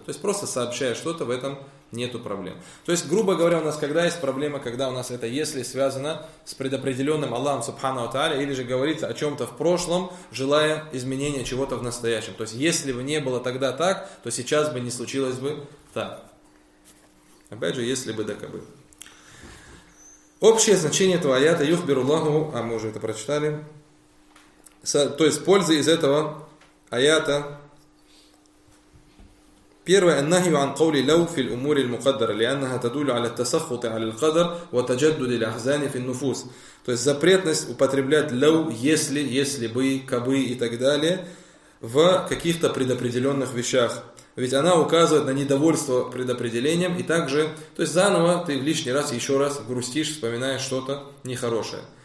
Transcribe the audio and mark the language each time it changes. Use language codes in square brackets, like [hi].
[ru] То есть просто сообщаешь что-то, в этом нету проблем. То есть, грубо говоря, у нас когда есть проблема, когда у нас это если связано с предопределенным Аллахом Субхану Ва Тааля, или же говорится о чем-то в прошлом, желая изменения чего-то в настоящем. То есть, если бы не было тогда так, то сейчас бы не случилось бы так. Опять же, если бы да кабы. Общее значение этого аята [ar] «Юхбиру Аллаху», [ru] а мы уже это прочитали, то есть пользы из этого аята. [ar] Первое, النهي عن قول لو في الأمور المقدرة لأنها تدل على التسخط على القدر وتجدد الأحزان في النفوس. [ru] То есть запретность употреблять لو, если бы, кабы и так далее в каких-то предопределенных вещах. Ведь она указывает на недовольство предопределением и также, то есть заново ты в лишний раз еще раз грустишь, вспоминая что-то нехорошее.